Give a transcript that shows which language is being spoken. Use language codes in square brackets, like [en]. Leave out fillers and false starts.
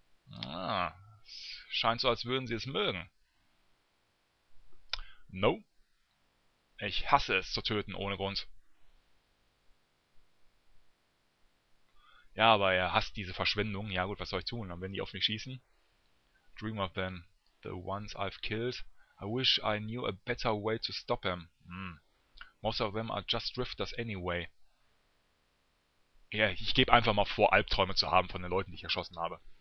[de] Ah, es scheint so, als würden sie es mögen. [en] No. [de] Ich hasse es, zu töten, ohne Grund. Ja, aber er hasst diese Verschwendung. Ja gut, was soll ich tun, wenn die auf mich schießen? [en] Dream of them. The ones I've killed. I wish I knew a better way to stop them. Most of them are just drifters anyway. [de] Ja, ich gebe einfach mal vor, Albträume zu haben von den Leuten, die ich erschossen habe.